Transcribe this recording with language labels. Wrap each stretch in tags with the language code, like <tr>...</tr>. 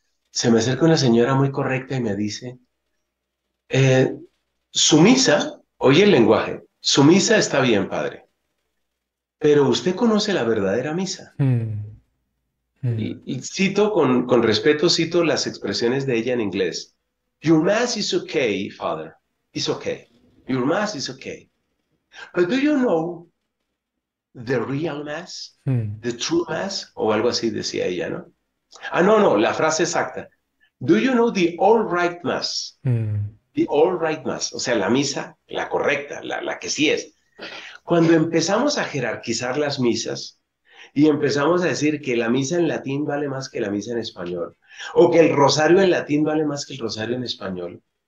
<es>Se me acerca una señora muy correcta y me dice, su misa, oye el lenguaje, su misa está bien, padre, pero usted conoce la verdadera misa. Y cito con respeto, cito las expresiones de ella en inglés.</es> <en>Your mass is okay, father. It's okay. Your mass is okay. But do you know the real mass? The true mass?</en> <es>O algo así decía ella, ¿no? Ah, no, no, la frase exacta.</es> <en>Do you know the all right mass? The all right mass.</en> <es>O sea, la misa, la correcta, la que sí es. Cuando empezamos a jerarquizar las misas, y empezamos a decir que la misa en latín vale más que la misa en español, o que el rosario en latín vale más que el rosario en español.</es>